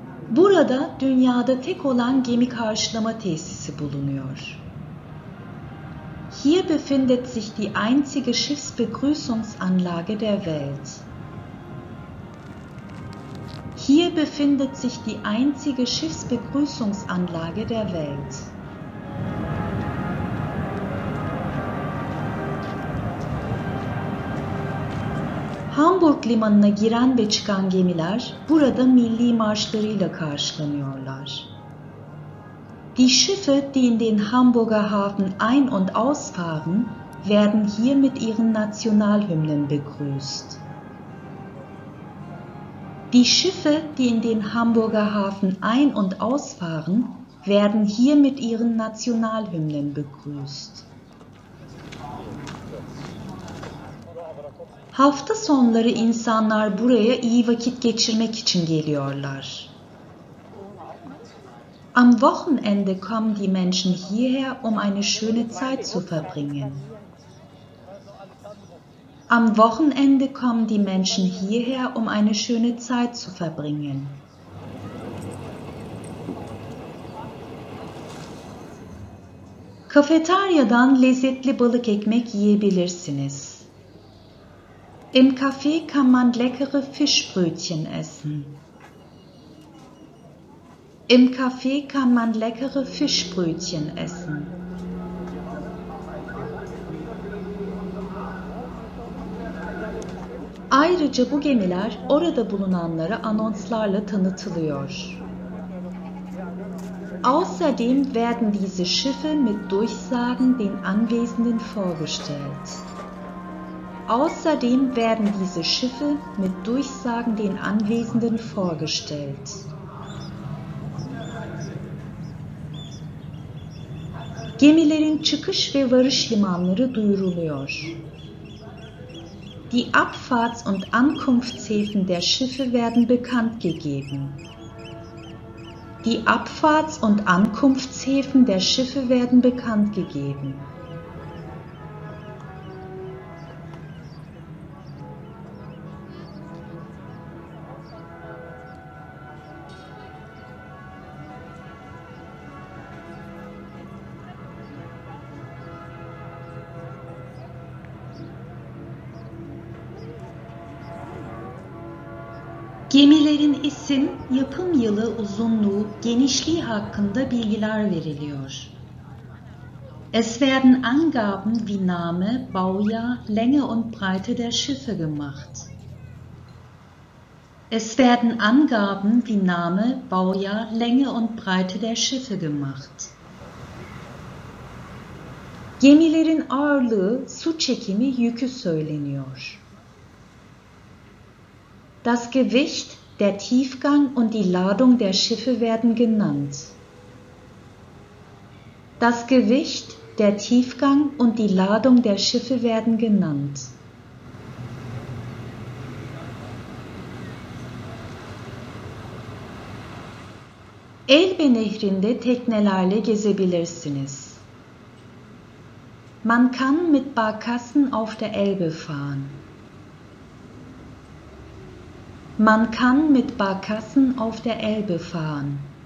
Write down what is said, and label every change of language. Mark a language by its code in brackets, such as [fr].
[tr] Burada dünyada tek olan gemi karşılama tesisi bulunuyor. [de] Hier befindet sich die einzige Schiffsbegrüßungsanlage der Welt. Hier befindet sich die einzige Schiffsbegrüßungsanlage der Welt. [tr] Hamburg Limanı'na giren ve çıkan gemiler burada milli marşlarıyla karşılanıyorlar. [de] Die Schiffe, die in den Hamburger Hafen ein- und ausfahren, werden hier mit ihren Nationalhymnen begrüßt. Die Schiffe, die in den Hamburger Hafen ein- und ausfahren, werden hier mit ihren Nationalhymnen begrüßt. [tr] Hafta sonları insanlar buraya iyi vakit geçirmek için geliyorlar. [de] Am Wochenende kommen die Menschen hierher, um eine schöne Zeit zu verbringen. Am Wochenende kommen die Menschen hierher, um eine schöne Zeit zu verbringen. [tr] Kafeteryadan lezzetli balık ekmek yiyebilirsiniz. [de] Im Café kann man leckere Fischbrötchen essen. Im Café kann man leckere Fischbrötchen essen. [tr] Ayrıca bu gemiler orada bulunanlara anonslarla tanıtılıyor. [de] Außerdem werden diese Schiffe mit Durchsagen den Anwesenden vorgestellt. Außerdem werden diese Schiffe mit Durchsagen den Anwesenden vorgestellt. [tr] Gemilerin çıkış ve varış limanları duyuruluyor. [de] Die Abfahrts- und Ankunftshäfen der Schiffe werden bekannt gegeben. Die Abfahrts- und Ankunftshäfen der Schiffe werden bekannt gegeben. [tr] Gemilerin isim, yapım yılı, uzunluğu, genişliği hakkında bilgiler veriliyor. [de] Es werden Angaben wie Name, Baujahr, Länge und Breite der Schiffe gemacht. Es werden Angaben wie Name, Baujahr, Länge und Breite der Schiffe gemacht. [tr] Gemilerin ağırlığı, su çekimi, yükü söyleniyor. [de] Das Gewicht, der Tiefgang und die Ladung der Schiffe werden genannt. Das Gewicht, der Tiefgang und die Ladung der Schiffe werden genannt. [tr] Elbe Nehri'nde teknelerle gezebilirsiniz. [de] Man kann mit Barkassen auf der Elbe fahren. Man kann mit Barkassen auf der Elbe fahren.